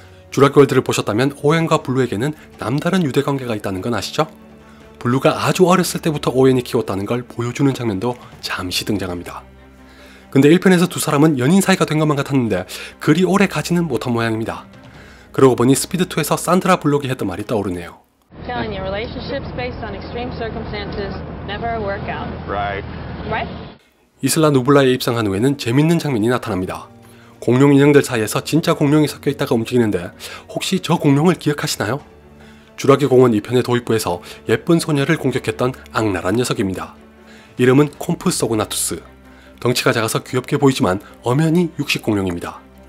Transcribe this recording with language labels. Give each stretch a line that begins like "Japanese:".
Korean: 주라기 월드를 보셨다면 오웬과 블루에게는 남다른 유대관계가 있다는 건 아시죠? 블루가 아주 어렸을 때부터 오웬이 키웠다는 걸 보여주는 장면도 잠시 등장합니다. 근데 1편에서 두 사람은 연인 사이가 된 것만 같았는데 그리 오래 가지는 못한 모양입니다. 그러고 보니 스피드2에서 산드라 블록이 했던 말이 떠오르네요.
English: Telling you, relationships based on extreme circumstances never work out. Right?
Korean: 이슬라 누블라에 입성한 후에는 재밌는 장면이 나타납니다. 공룡 인형들 사이에서 진짜 공룡이 섞여있다가 움직이는데 혹시 저 공룡을 기억하시나요? 주라기 공원 2편의 도입부에서 예쁜 소녀를 공격했던 악랄한 녀석입니다. 이름은 콤프소그나투스. 덩치가 작아서 귀엽게 보이지만 엄연히 육식공룡입니다.